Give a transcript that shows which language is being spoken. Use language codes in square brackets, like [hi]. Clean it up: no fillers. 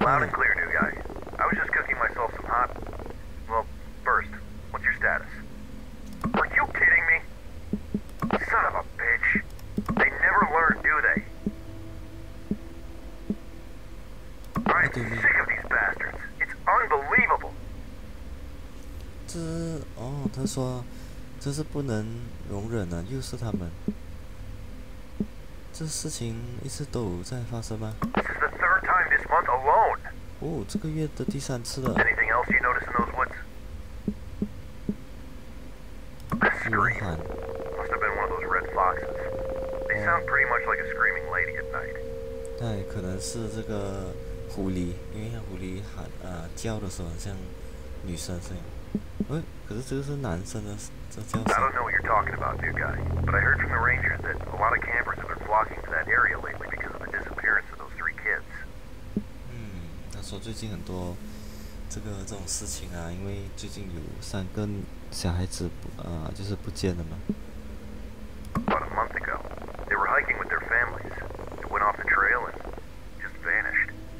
[en] loud and clear new guy I was just cooking myself some hot well first what's your status are you kidding me son of a bitch they never learn do theyI'm sick of these bastards. It's unbelievable. [zh] 这哦，他说这是不能容忍的，又是他们。这事情一直都有在发生吗？ [en] This is the third time this month alone. [zh] 哦，这个月的第三次了。 [en] Anything else you notice in those woods? A scream. Must have been one of those red foxes. They sound pretty much like a screaming lady at night. [zh] 对，可能是这个狐狸，因为像狐狸喊叫的时候很像女生声音。喂，可是这个是男生的这叫声。 [en] I don't know what you're talking about, new guy. But I heard from the ranger that a lot of campers have been flocking to that area lately because of the disappearance of those three kids. [zh] 他说最近很多这种事情啊，因为最近有三个小孩子就是不见了嘛。 [en] About a month ago, they were hiking with their families. They went off the trail and just vanished.